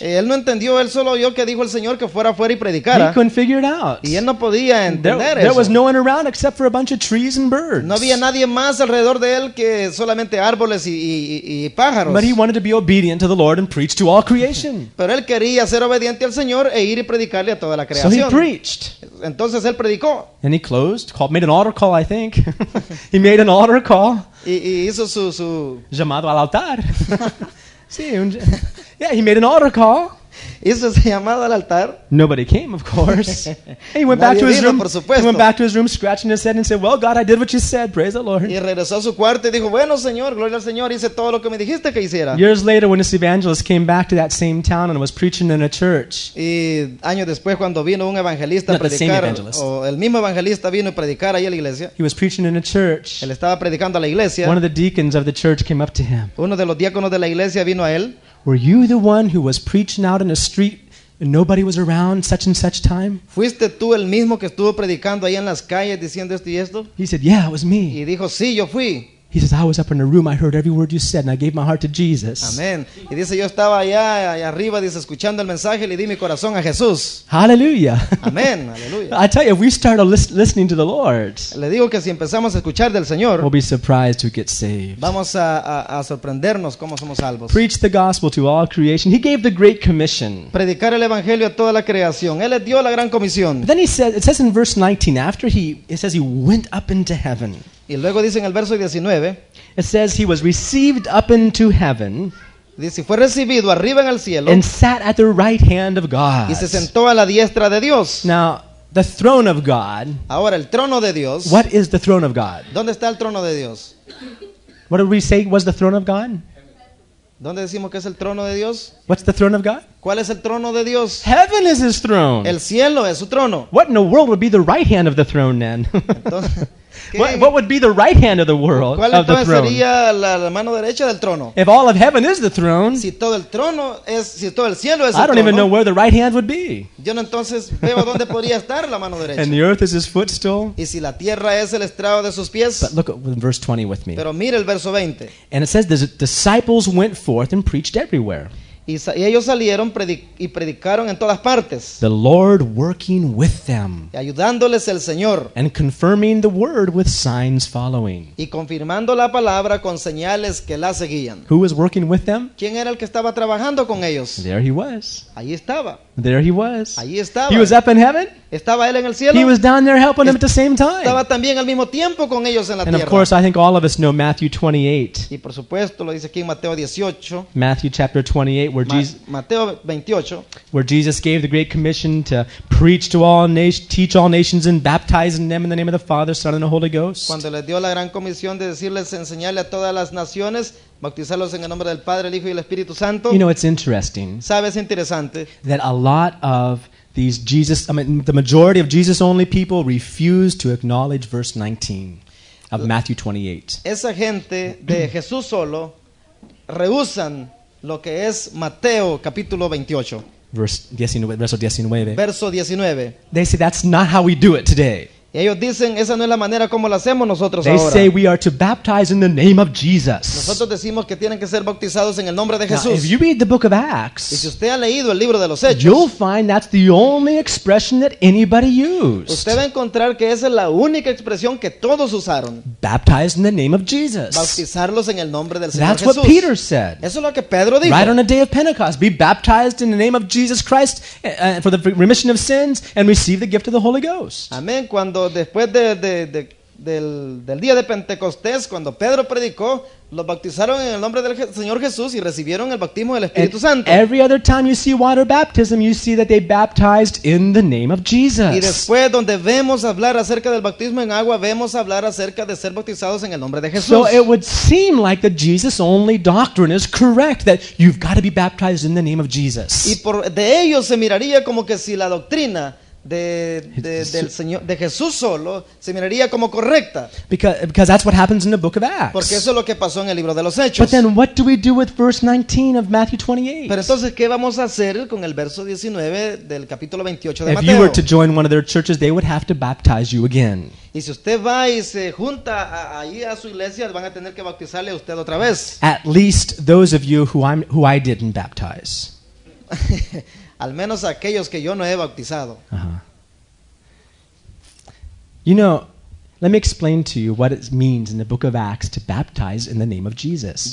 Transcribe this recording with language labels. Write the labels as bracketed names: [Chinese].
[Spanish] Él no entendió, él solo oyó que dijo el Señor que fuera afuera y predicara. [English] He couldn't figure it out. [Spanish] Y él no podía entender [English] there, There was no one around except for a bunch of trees and birds. [Spanish] No había nadie más alrededor de él que solamente árboles y pájaros. [English] But he wanted to be obedient to the Lord and preach to all creation. [Spanish] Pero él quería ser obediente al Señor e ir y predicarle a toda la creación. [English] So he preached. [Spanish] Entonces él predicó. [English] And he closed, called, made an altar call, I think. He made an altar call. [Spanish] Y hizo su llamado al altar. Sí, [English] yeah, he made an altar call. [Spanish] Hizo su llamado al altar. [English] Nobody came, of course. And he went back to his room. [Spanish] Por supuesto. [English] He went back to his room, scratching his head and said, "Well, God, I did what you said. Praise the Lord." [Spanish] Y regresó a su cuarto y dijo, "Bueno, Señor, gloria al Señor, hice todo lo que me dijiste que hiciera." [English] Years later, when this evangelist came back to that same town and was preaching in a church. [Spanish] Y años después cuando vino un evangelista a predicar, [English] not the same evangelist. [Spanish] O el mismo evangelista vino a predicar ahí a la iglesia. [English] He was preaching in a church. [Spanish] Él estaba predicando a la iglesia. [English] One of the deacons of the church came up to him. [Spanish] Uno de los diáconos de la iglesia vino a él. [English] Were you the one who was preaching out in a street and nobody was around such and such time? [Spanish] ¿Fuiste tú el mismo que estuvo predicando ahí en las calles diciendo esto y esto? [English] He said, "Yeah, it was me." [Spanish] Y dijo, "Sí, yo fui." [English] He says, "I was up in a room, I heard every word you said, and I gave my heart to Jesus." Amen. [Spanish] Y dice, yo estaba allá arriba, dice, escuchando el mensaje, le di mi corazón a Jesús. [English] Hallelujah. Amen. Hallelujah. I tell you, if we start listening to the Lord, [Spanish] le digo que si empezamos a escuchar del Señor, [English] we'll be surprised to get saved. [Spanish] Vamos a sorprendernos cómo somos salvos. [English] Preach the gospel to all creation. He gave the great commission. [Spanish] Predicar el evangelio a toda la creación. Él le dio la gran comisión. [English] But then he says, it says in verse 19, after it says he went up into heaven. [Spanish] Y luego dice en el verso 19, [English] it says he was received up into heaven. [Spanish] Dice, fue recibido arriba en el cielo. [English] And sat at the right hand of God. [Spanish] Y se sentó a la diestra de Dios. [English] Now, the throne of God. [Spanish] Ahora, el trono de Dios. [English] What is the throne of God? [Spanish] ¿Dónde está el trono de Dios? [English] What did we say was the throne of God? [Spanish] ¿Dónde decimos que es el trono de Dios? [English] What's the throne of God? [Spanish] ¿Cuál es el trono de Dios? [English] Heaven is his throne. [Spanish] El cielo es su trono. [English] What in the world would be the right hand of the throne then? [Spanish] Entonces, [English] what would be the right hand of the world, [Spanish] ¿cuál [English] of the throne? [Spanish] Sería la mano derecha del trono? [English] If all of heaven is the throne, [Spanish] si todo el trono es, si todo el cielo es [English] I don't [Spanish] trono, [English] even know where the right hand would be. [Spanish] Yo no entonces veo dónde podría estar la mano derecha. [English] And the earth is his footstool. [Spanish] Y si la tierra es el estrado de sus pies. [English] But look at verse 20 with me. [Spanish] Pero mira el verso 20. [English] And it says the disciples went forth and preached everywhere. [Spanish] Y ellos salieron y predicaron en todas partes. [English] The Lord working with them. [Spanish] Y ayudándoles el Señor. [English] And confirming the word with signs following. [Spanish] Y confirmando la palabra con señales que la seguían. [English] Who was working with them? [Spanish] ¿Quién era el que estaba trabajando con ellos? [English] There he was. [Spanish] Allí estaba. [English] There he was. [Spanish] Allí estaba. [English] He was up in heaven. [Spanish] Estaba él en el cielo. [English] He was down there helping them at the same time. [Spanish] Estaba también al mismo tiempo con ellos en la tierra. [English] And of course, I think all of us know Matthew 28. [Spanish] Y por supuesto, lo dice aquí en Mateo 18. [English] Matthew chapter 28, [Spanish] Mateo 28, [English] where Jesus gave the great commission to preach to all nations, teach all nations, and baptize them in the name of the Father, Son, and the Holy Ghost. [Spanish] Cuando les dio la gran comisión de decirles, enseñarle a todas las naciones, bautizarlos en el nombre del Padre, el Hijo y el Espíritu Santo. [English] You know, it's interesting. [Spanish] Sabes, interesante. [English] That a lot of these Jesus, I mean, the majority of Jesus-only people refused to acknowledge verse 19 of Matthew 28. [Spanish] Esa gente de Jesús solo rehusan lo que es Mateo capítulo 28. Verso 19. [English] They say that's not how we do it today. [Spanish] Y ellos dicen, esa no es la manera como lo hacemos nosotros [English] they [Spanish] ahora. [English] They say we are to baptize in the name of Jesus. [Spanish] Nosotros decimos que tienen que ser bautizados en el nombre de Jesús. [English] Now, if you read the book of Acts, [Spanish] y si usted ha leído el libro de los Hechos, [English] you'll find that's the only expression that anybody used. [Spanish] Usted va a encontrar que esa es la única expresión que todos usaron. [English] Baptize in the name of Jesus. [Spanish] Bautizarlos en el nombre del Señor [English] that's [Spanish] Jesús. [English] That's what Peter said. [Spanish] Eso es lo que Pedro dijo. [English] Right on the day of Pentecost, be baptized in the name of Jesus Christ for the remission of sins and receive the gift of the Holy Ghost. [Spanish] Amén. Cuando después del día de Pentecostés, cuando Pedro predicó, los bautizaron en el nombre del Señor Jesús y recibieron el bautismo del Espíritu Santo. [English] Every other time you see water baptism, you see that they baptized in the name of Jesus. [Spanish] Y después donde vemos hablar acerca del bautismo en agua, vemos hablar acerca de ser bautizados en el nombre de Jesús. [English] So it would seem like the Jesus only doctrine is correct, that you've got to be baptized in the name of Jesus. [Spanish] Y por de ellos se miraría como que si la doctrina del Señor, de Jesús solo se miraría como correcta. [English] Because that's what happens in the book of Acts. [Spanish] Porque eso es lo que pasó en el libro de los Hechos. [English] But then what do we do with verse 19 of Matthew 28? [Spanish] Pero entonces, ¿qué vamos a hacer con el verso 19 del capítulo 28 de [English] Mateo? If you were to join one of their churches, they would have to baptize you again. [Spanish] Y si usted va y se junta ahí a su iglesia, van a tener que bautizarle a usted otra vez. [English] At least those of you who I didn't baptize. [Spanish] Al menos aquellos que yo no he bautizado. [English] You know, let me explain to you what it means in the book of Acts to baptize in the name of Jesus.